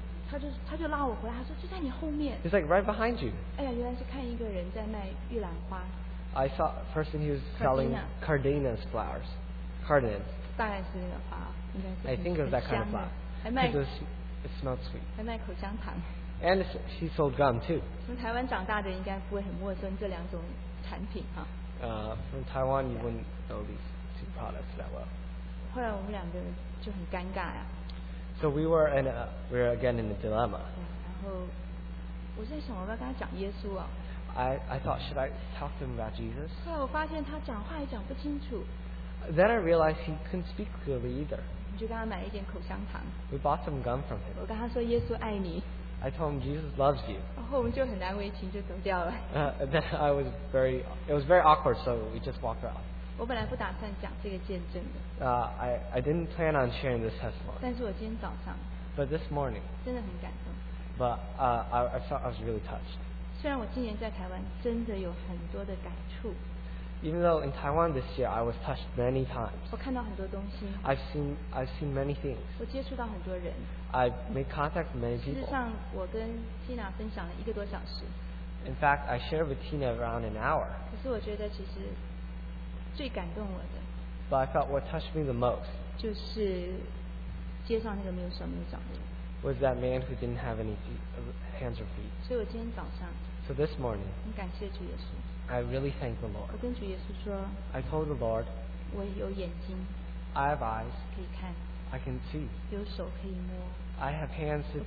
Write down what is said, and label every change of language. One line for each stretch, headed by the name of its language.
Chinese: 她就拉我回来, 她说, 就在你后面。
English: He's like right behind you.
Chinese: 哎呀, 原来是看一个人在卖,花。
English: I saw a person who was selling cardenas flowers. Cardenas.
Chinese: 大概是那个花，应该是。
English: I think it was that kind of flower.
Chinese: 还卖。
English: It smelled sweet.
Chinese: 还卖口香糖。
English: And he sold gum too.
Chinese: 从台湾长大的应该不会很陌生这两种产品哈。
English: From Taiwan, you wouldn't know these two products that well.
Chinese: 后来我们两个就很尴尬呀。
English: So we were in a, we were again in a dilemma.
Chinese: 然后我在想，我要跟他讲耶稣啊。
English: I thought, should I talk to him about Jesus?
Chinese: 后来我发现他讲话也讲不清楚。
English: Then I realized he couldn't speak clearly either.
Chinese: 我就跟他买一点口香糖。
English: We bought some gum from him.
Chinese: 我跟他说耶稣爱你。
English: I told him Jesus loves you.
Chinese: 然后我们就很难为情就走掉了。
English: Then I was very, it was very awkward, so we just walked out.
Chinese: 我本来不打算讲这个见证的。
English: I didn't plan on sharing this testimony.
Chinese: 但是我今天早上。
English: But this morning.
Chinese: 真的很感动。
English: But I felt I was really touched.
Chinese: 虽然我今年在台湾真的有很多的感触。
English: Even though in Taiwan this year I was touched many times.
Chinese: 我看到很多东西。
English: I've seen many things.
Chinese: 我接触到很多人。
English: I've made contact with many people.
Chinese: 事实上我跟 Tina 分享了一个多小时。
English: In fact, I shared with Tina around an hour.
Chinese: 可是我觉得其实最感动我的。
English: But I felt what touched me the most.
Chinese: 就是街上那个没有手没有脚的。
English: Was that man who didn't have any feet, hands or feet.
Chinese: 所以我今天早上。
English: So this morning.
Chinese: 很感谢主耶稣。
English: I really thank the Lord.
Chinese: 我跟主耶稣说,
English: I told the Lord,
Chinese: 我有眼睛,
English: I have eyes,
Chinese: 可以看,
English: I can see,
Chinese: 有手可以摸,
English: I have hands to feel,